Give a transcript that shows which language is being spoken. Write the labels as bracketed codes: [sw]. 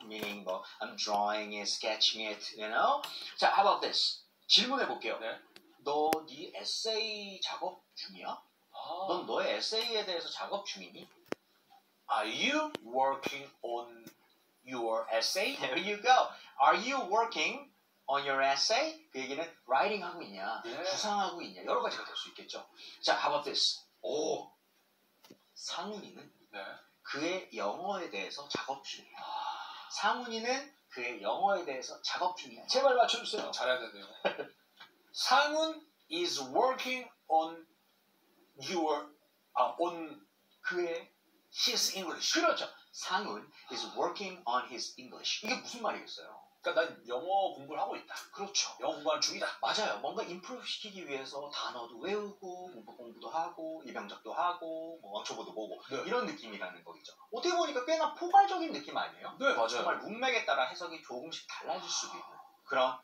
[en] Meaning, well, I'm drawing it, sketching it, you know? [ko] 자, [en] how about this? [ko] 질문해 볼게요. 네. 너 네 에세이 작업 중이야? 아. 넌 너의 에세이에 대해서 작업 중이니? [en] Are you working on your essay? There you go. Are you working on your essay? [ko] 그 얘기는 writing 하고 있냐, 구상하고 있냐, 여러 가지가 될 수 있겠죠. [en] 자, how about this? [ko] 오, 상훈이는 그의 영어에 대해서 작업 중이야. 상훈이는 그의 영어에 대해서 작업 중이야. 제발 맞춰주세요. 잘해야 되네요. [en] 상훈 is working on your, on 그의 His English. [ko] 그렇죠. [en] 상훈 is working on his English. [ko] 이게 무슨 말이겠어요? 그러니까 난 영어 공부를 하고 있다. 그렇죠. 영어 공부하는 중이다. 맞아요. 뭔가 improve 시키기 위해서 단어도 외우고, 문법 공부도 하고, 입양적도 하고, 뭐 왕초보도 보고, 네. 이런 느낌이라는 거겠죠. 어떻게 보니까 꽤나 포괄적인 느낌 아니에요? 네, 맞아요. 정말 문맥에 따라 해석이 조금씩 달라질 수도 있는. 그럼.